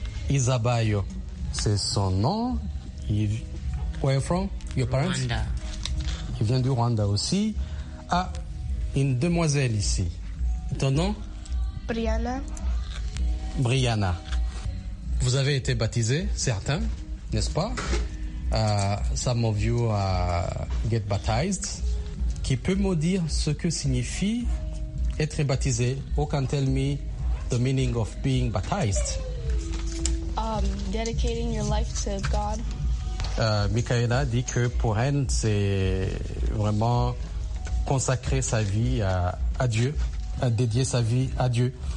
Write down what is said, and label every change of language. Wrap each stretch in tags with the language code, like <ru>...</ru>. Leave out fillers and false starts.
<en>Isabayo,</en> <fr>c'est son nom.</fr> <en>Where are you from? Your parents? Rwanda.</en> <fr>Il vient du Rwanda aussi. Ah, une demoiselle ici. Ton nom? Brianna. Brianna. Vous avez été baptisé, certains? N'est-ce pas?</fr> <en>Some of you get baptized.</en> <fr>Qui peut me dire ce que signifie être baptisé?</fr> <en>Who can tell me the meaning of being baptized? Dedicating your life to God.</en> <fr>Michaela dit que pour elle, c'est vraiment consacrer sa vie à Dieu, à dédier sa vie à Dieu.</fr>